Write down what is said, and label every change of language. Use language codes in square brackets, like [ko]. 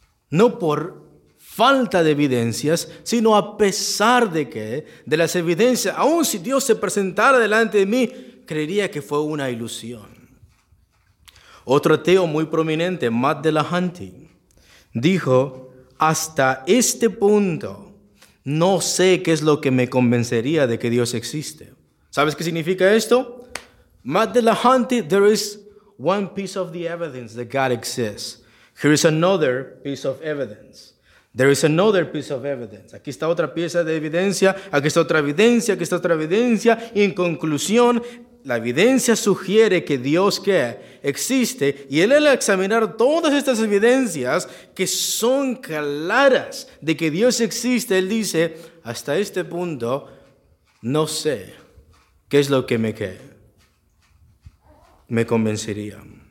[es] No por falta de evidencias, sino a pesar de que, de las evidencias, aun si Dios se presentara delante de mí, creería que fue una ilusión. Otro ateo muy prominente, Matt Delahunty, dijo, hasta este punto, no sé qué es lo que me convencería de que Dios existe. ¿Sabes qué significa esto? [en] Matt Delahunty, there is one piece of the evidence that God exists. Here is another piece of evidence. There is another piece of evidence. [es] Aquí está otra pieza de evidencia. Aquí está otra evidencia. Aquí está otra evidencia. Y en conclusión, la evidencia sugiere que Dios, ¿qué? Existe. Y él, al examinar todas estas evidencias que son claras de que Dios existe, él dice, hasta este punto, no sé qué es lo que me convencería.